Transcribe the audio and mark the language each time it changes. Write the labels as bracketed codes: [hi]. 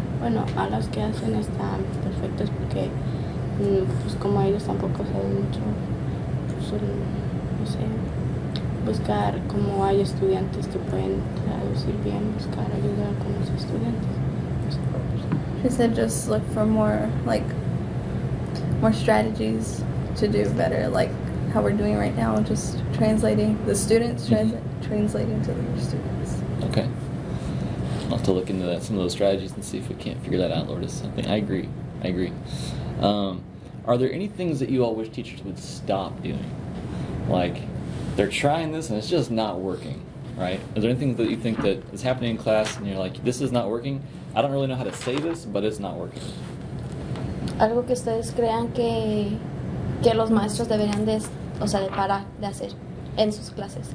[es] Bueno, a los que hacen están perfectos porque, pues como ellos tampoco saben mucho, pues, no sé, buscar como hay estudiantes que pueden traducir bien, buscar ayuda con los estudiantes. [en] He said just look for more strategies to do better, like how we're doing right now, just translating the students, translating to the students. Okay. I'll have to look into that, some of those strategies, and see if we can't figure that out, Lourdes. I agree. Are there any things that you all wish teachers would stop doing? Like, they're trying this and it's just not working, right? Is there anything that you think that is happening in class and you're like, this is not working? I don't really know how to say this, but it's not working. [es] Algo que ustedes crean que los maestros deberían de, o sea, de parar de hacer en sus clases.